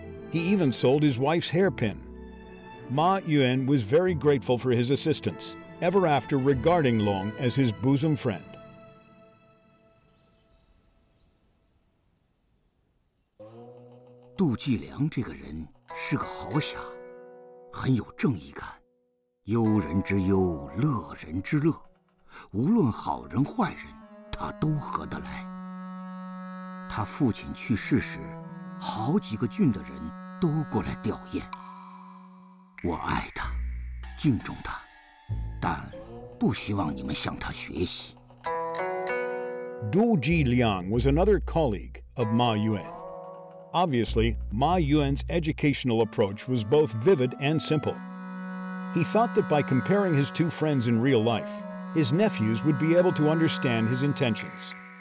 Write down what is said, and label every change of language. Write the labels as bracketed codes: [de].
[en] He even sold his wife's hairpin. Ma Yuan was very grateful for his assistance, ever after regarding Long as his bosom friend. Du Jiliang, this person, is a good man, very righteous. [zh] 忧人之忧，乐人之乐，无论好人坏人，他都合得来。他父亲去世时，好几个郡的人都过来吊唁。我爱他，敬重他，但不希望你们向他学习。 [en] Du Jiliang was another colleague of Ma Yuan. Obviously, Ma Yuan's educational approach was both vivid and simple. He thought that by comparing his two friends in real life, his nephews would be able to understand his intentions.